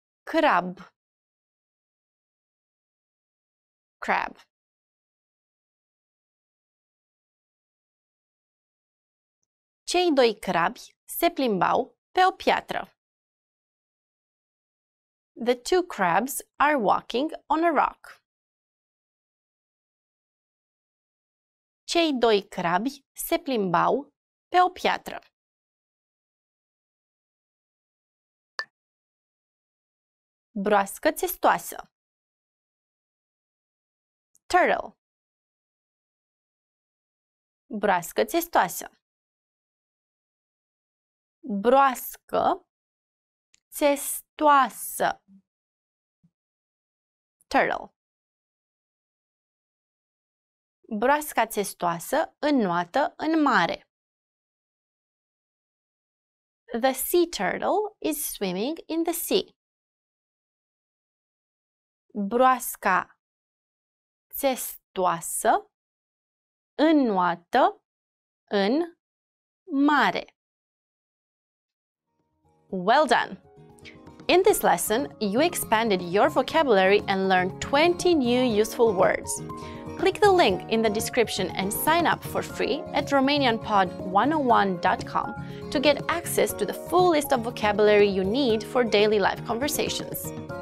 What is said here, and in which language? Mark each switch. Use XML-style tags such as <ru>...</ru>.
<ro>Crab.</ro> <en>Crab.</en> <ro>Cei doi crabi se plimbau pe o piatră.</ro> <en>The two crabs are walking on a rock.</en> <ro>Cei doi crabi se plimbau pe o piatră. Broască țestoasă.</ro> <en>Turtle.</en> <ro>Broască țestoasă. Broască țestoasă.</ro> <en>Turtle.</en> <ro>Broasca țestoasă înnoată în mare.</ro> <en>The sea turtle is swimming in the sea.</en> <ro>Broasca țestoasă înnoată în mare.</ro> <en>Well done! In this lesson, you expanded your vocabulary and learned 20 new useful words. Click the link in the description and sign up for free at RomanianPod101.com to get access to the full list of vocabulary you need for daily life conversations.</en>